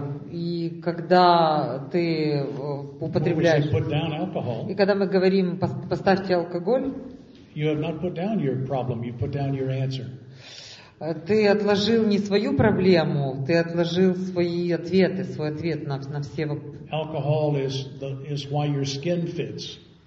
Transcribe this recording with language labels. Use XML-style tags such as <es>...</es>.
<ru>и когда ты употребляешь,</ru> <en>put down alcohol,</en> <ru>и когда мы говорим, поставьте алкоголь,</ru> <en>you have not put down your problem, you put down your answer.</en> <ru>Ты отложил не свою проблему, ты отложил свои ответы, свой ответ на все вопросы.</ru> <en>Alcohol is why your skin fits.</en>